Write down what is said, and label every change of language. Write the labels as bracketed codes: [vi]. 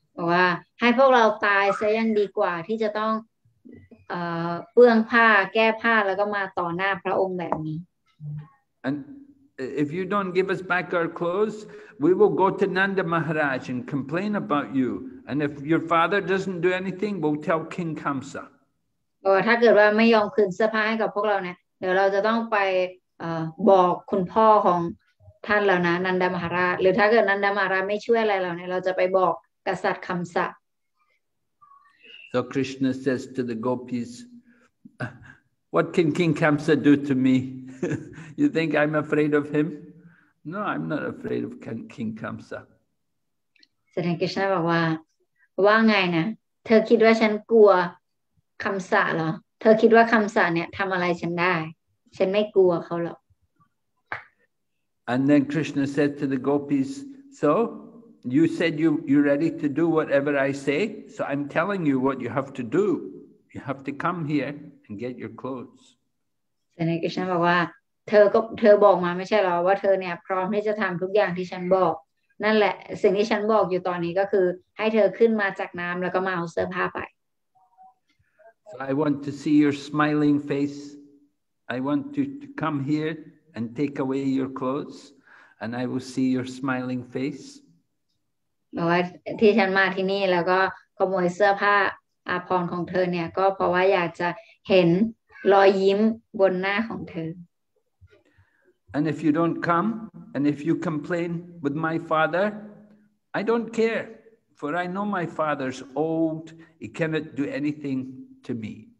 [th] ว่าให้พวกเราตายซะยังดีกว่าที่จะต้องเปื้องผ้าแก้ผ้าแล้วก็มาต่อหน้าพระองค์แบบนี้ [en] And if you don't give us back our clothes we will go to Nanda Maharaj and complain about you and if your father doesn't do anything we'll tell King Kamsa [th] ถ้าเกิดว่าไม่ยอมคืนเสื้อผ้าให้กับพวกเราเนี่ยเดี๋ยวเราจะต้องไปบอกคุณพ่อของท่านแล้วนะนันดามหาราชหรือถ้าเกิดนันดามหาราชไม่ช่วยอะไรเราเนี่ยเราจะไปบอกกษัตริย์คำสะ [en] So Krishna says to the gopis, "What can King Kamsa do to me? You think I'm afraid of him? No, I'm not afraid of King Kamsa." [th] แสดง Krishna บอกว่าว่าไงนะเธอคิดว่าฉันกลัวคำสะเหรอเธอคิดว่าคำสะเนี่ยทำอะไรฉันได้ฉันไม่กลัวเขาหรอก [en] And then Krishna said to the gopis, "So." You said you're ready to do whatever I say, so I'm telling you what you have to do. You have to come here and get your clothes. [th] สนิกิชันบอกว่าเธอบอกมาไม่ใช่หรอว่าเธอเนี่ยพร้อมที่จะทำทุกอย่างที่ฉันบอกนั่นแหละสิ่งที่ฉันบอกอยู่ตอนนี้ก็คือให้เธอขึ้นมาจากน้ำแล้วก็มาเอาเสื้อผ้าไป [en] So I want to see your smiling face. I want to come here and take away your clothes, and I will see your smiling face. [th] บอกว่าที่ฉันมาที่นี่แล้วก็ขโมยเสื้อผ้าอาภรณ์ของเธอเนี่ยก็เพราะว่าอยากจะเห็นรอยยิ้มบนหน้าของเธอ [en] And if you don't come and if you complain with my father I don't care for I know my father's old he cannot do anything to me